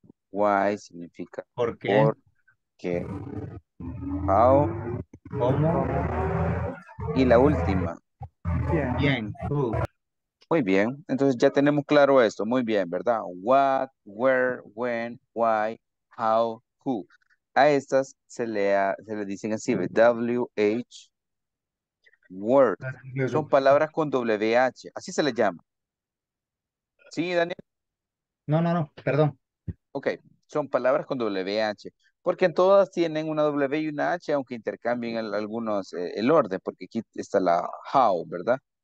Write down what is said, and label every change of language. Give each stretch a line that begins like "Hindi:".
Spanish: Why significa. ¿Por qué? ¿Por qué? How. ¿Cómo? Y la última. Bien, muy bien, entonces ya tenemos claro esto, muy bien, ¿verdad?
English: What, where, when, why, how, who.
Spanish: A estas se le dicen así, WH, word. Son palabras con WH, así se les llama. ¿Sí, Daniel? No, perdón. Ok, son palabras con WH. Porque en todas tienen una W y una H, aunque intercambien algunos el orden, porque aquí está la how, ¿verdad?